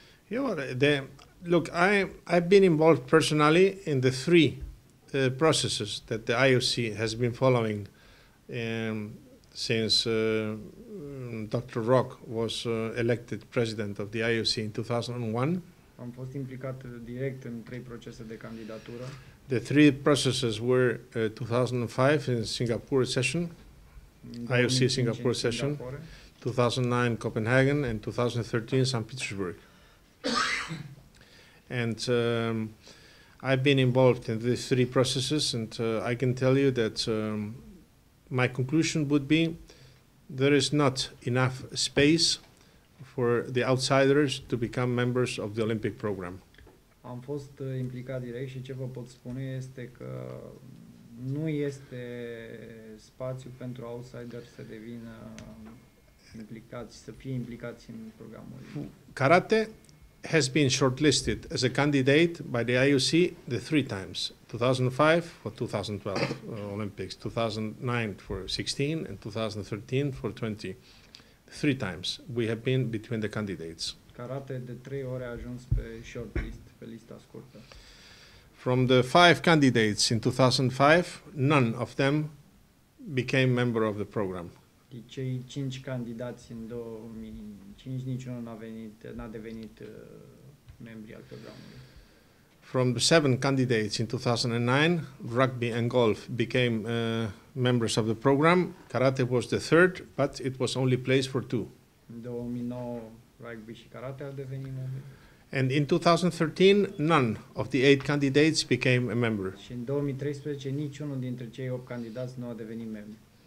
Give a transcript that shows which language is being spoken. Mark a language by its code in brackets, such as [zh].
[en] Look, I've been involved personally in the three processes that the IOC has been following since Dr. Rock was elected president of the IOC in 2001. [ro] Am fost implicat direct în trei procese de candidatură. [en] The three processes were 2005 in Singapore session, IOC Singapore session, 2009 Copenhagen and 2013 St. Petersburg. And I've been involved in these three processes, and I can tell you that my conclusion would be there is not enough space for the outsiders to become members of the Olympic program. [ro] Am fost implicat direct și ce vă pot spune este că nu este spațiu pentru outsiders să devină implicați, să fie implicați în programul. [en] Karate has been shortlisted as a candidate by the IOC the three times, 2005 for 2012 Olympics, 2009 for 16 and 2013 for 20. Three times we have been between the candidates. [ro] Karate de trei ori a ajuns pe shortlist, pe lista scurtă. [en] From the five candidates in 2005, none of them became member of the program. [ro] De cei cinci candidați în 2005, niciunul n-a devenit membri al programului. [en] From the seven candidates in 2009, rugby and golf became members of the program. Karate was the third, but it was only placed for two. [ro] În 2009, rugby și karate au devenit membri. [en] And in 2013, none of the eight candidates became a member. [ro] Și în 2013, niciunul dintre cei opt candidați nu a devenit membru.